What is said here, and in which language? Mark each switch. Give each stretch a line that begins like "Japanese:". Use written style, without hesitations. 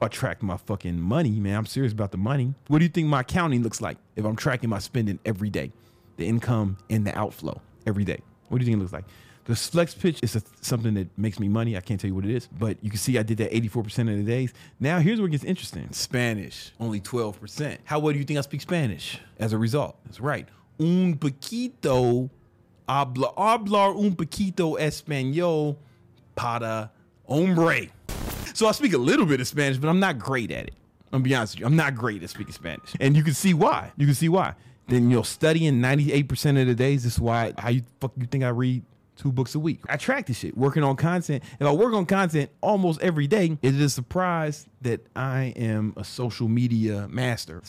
English: I tracked my fucking money, man. I'm serious about the money. What do you think my accounting looks like if I'm tracking my spending every day? The income and the outflow every day. What do you think it looks like? The flex pitch is something that makes me money. I can't tell you what it is, but you can see I did that 84% of the days. Now, here's where it gets interesting. Spanish, only 12%. How well do you think I speak Spanish as a result? That's right.
Spanish: Un poquito, hablar un poquito español para hombre.
English: So I speak a little bit of Spanish, but I'm not great at it. I'm gonna be honest with you. I'm not great at speaking Spanish. And you can see why. You can see why. Then you'll study in 98% of the days. This is why, how you fuck you think I read 2 books a week? I track this shit, working on content. If I work on content almost every day, is it a surprise that I am a social media master?